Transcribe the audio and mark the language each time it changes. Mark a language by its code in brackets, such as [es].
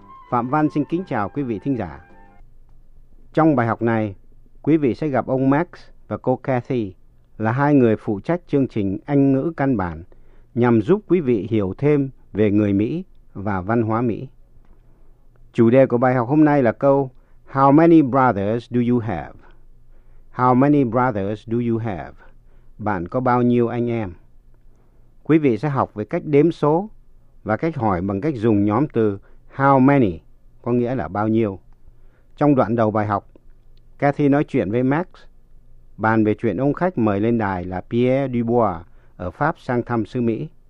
[vi] Phạm Văn xin kính chào quý vị thính giả. Trong bài học này, quý vị sẽ gặp ông Max và cô Kathy là hai người phụ trách chương trình Anh ngữ căn bản nhằm giúp quý vị hiểu thêm về người Mỹ và văn hóa Mỹ. Chủ đề của bài học hôm nay là câu [en] How many brothers do you have? How many brothers do you have? [vi] Bạn có bao nhiêu anh em? Quý vị sẽ học về cách đếm số và cách hỏi bằng cách dùng nhóm từ how many, có nghĩa là bao nhiêu. Trong đoạn đầu bài học, Kathy nói chuyện với Max, bàn về chuyện ông khách mời lên đài là Pierre Dubois ở Pháp sang thăm xứ Mỹ.